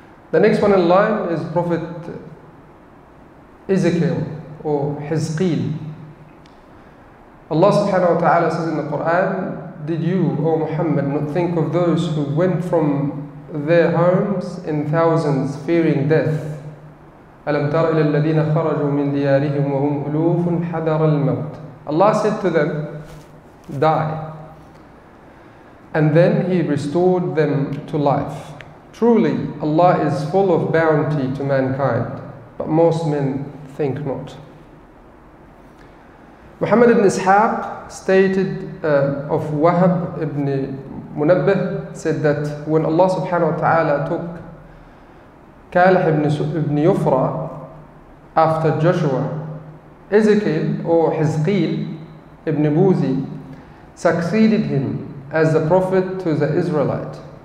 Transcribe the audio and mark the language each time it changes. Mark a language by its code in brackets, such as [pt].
[en] The next one in line is Prophet Ezekiel or Hizqiel. Allah subhanahu wa ta'ala says in the Quran, did you, O Muhammad, not think of those who went from their homes in thousands fearing death? [ar] أَلَمْ تَرَ إِلَى الَّذِينَ خَرَجُوا مِنْ دِيَارِهِمْ وَهُمْ أُلُوفٌ حَذَرَ الْمَوْتِ. [en] Allah said to them, die. And then he restored them to life. Truly, Allah is full of bounty to mankind, but most men think not. Muhammad ibn Ishaq stated of Wahab ibn Munabbih, said that when Allah subhanahu wa ta'ala took Kalah ibn Yufra after Joshua, Ezekiel or Hizqiel ibn Buzi succeeded him as the prophet to the Israelite.